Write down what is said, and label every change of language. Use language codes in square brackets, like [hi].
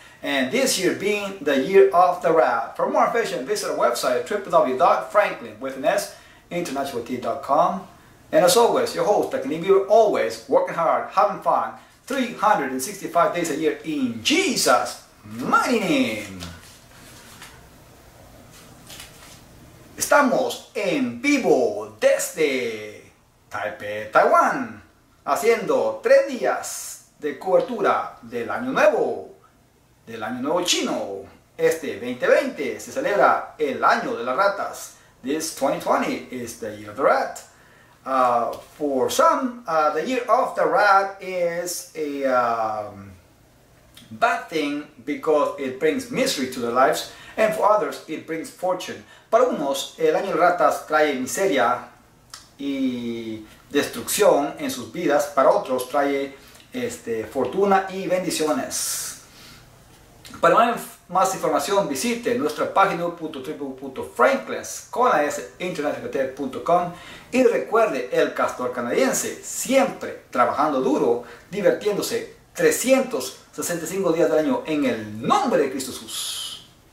[en] And this year being the year of the rat. For more information, visit our website www.franklin.international.com. And as always, your host, the Canadian Viewer, always working hard, having fun, 365 days a year in Jesus' mighty name. [es] Estamos en vivo desde Taipei, Taiwan, haciendo 3 días de cobertura del Año Nuevo. Del Año Nuevo Chino, este 2020 se celebra el Año de las Ratas. [en] This 2020 is the Year of the Rat. For some, the Year of the Rat is a bad thing because it brings misery to their lives, and for others, it brings fortune. [es] Para unos, el Año de las Ratas trae miseria y destrucción en sus vidas, para otros, trae fortuna y bendiciones. Para más información, visite nuestra página www.franklin.com y recuerde el castor canadiense, siempre trabajando duro, divirtiéndose 365 días del año en el nombre de Cristo Jesús.